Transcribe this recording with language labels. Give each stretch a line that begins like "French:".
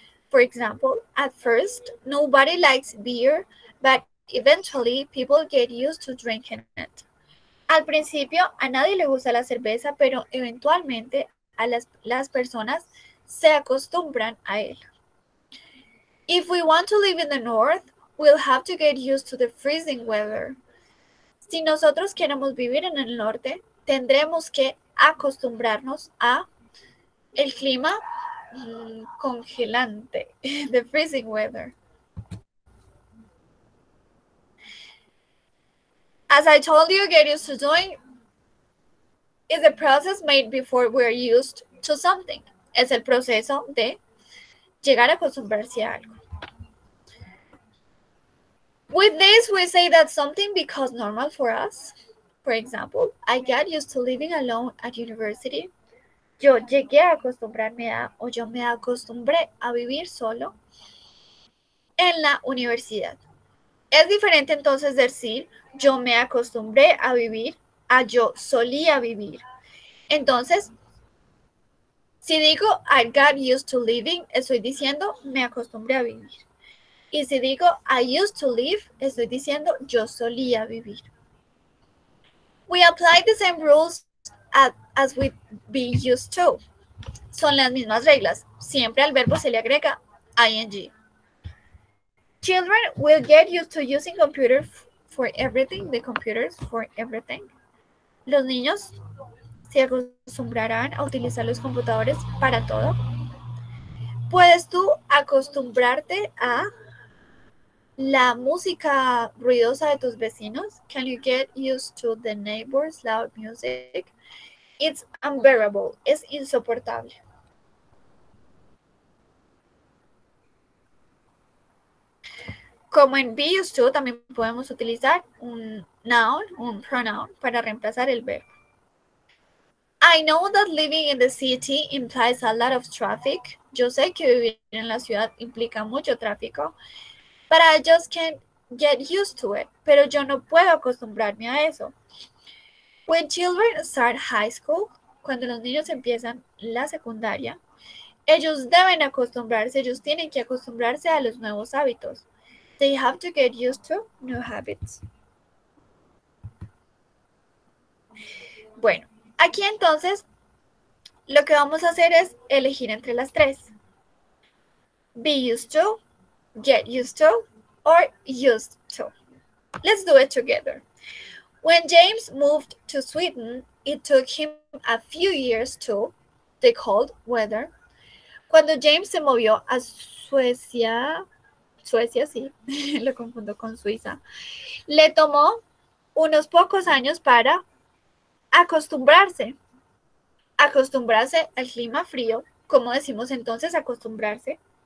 English: For example, at first, nobody likes beer, but eventually, people get used to drinking it.
Spanish: Al principio, a nadie le gusta la cerveza, pero eventualmente, a las personas se acostumbran a él.
English: If we want to live in the north, we'll have to get used to the freezing weather.
Spanish: Si nosotros queremos vivir en el norte, tendremos que acostumbrarnos a el clima congelante,
English: the freezing weather. As I told you, get used to doing is a process made before we're used to something.
Spanish: Es el proceso de llegar a acostumbrarse a algo.
English: With this, we say that something becomes normal for us. For example, I got used to living alone at university.
Spanish: Yo llegué a acostumbrarme a, o yo me acostumbré a vivir solo en la universidad. Es diferente entonces decir, yo me acostumbré a vivir, a yo solía vivir. Entonces, si digo,
English: I got used to living,
Spanish: estoy diciendo, me acostumbré a vivir. Y si digo,
English: I used to live,
Spanish: estoy diciendo, yo solía vivir.
English: We apply the same rules as we be used to.
Spanish: Son las mismas reglas. Siempre al verbo se le agrega ing.
English: Children will get used to using computers for everything, the computers for everything.
Spanish: Los niños se acostumbrarán a utilizar los computadores para todo. ¿Puedes tú acostumbrarte a la música ruidosa de tus vecinos?
English: Can you get used to the neighbor's loud music? It's unbearable.
Spanish: Es insoportable. Como en be used to, también podemos utilizar un noun, un pronoun, para reemplazar el verbo.
English: I know that living in the city implies a lot of traffic.
Spanish: Yo sé que vivir en la ciudad implica mucho tráfico,
English: but I just can't get used to it.
Spanish: Pero yo no puedo acostumbrarme a eso.
English: When children start high school,
Spanish: cuando los niños empiezan la secundaria, ellos deben acostumbrarse, ellos tienen que acostumbrarse a los nuevos hábitos.
English: They have to get used to new habits.
Spanish: Bueno, aquí entonces lo que vamos a hacer es elegir entre las tres.
English: Be used to, get used to, or used to. Let's do it together. When James moved to Sweden, it took him a few years to the cold weather.
Spanish: Cuando James se movió a Suecia, Suecia, sí, lo confundo con Suiza. Le tomó unos pocos años para acostumbrarse. Acostumbrarse al clima frío, como decimos entonces, acostumbrarse.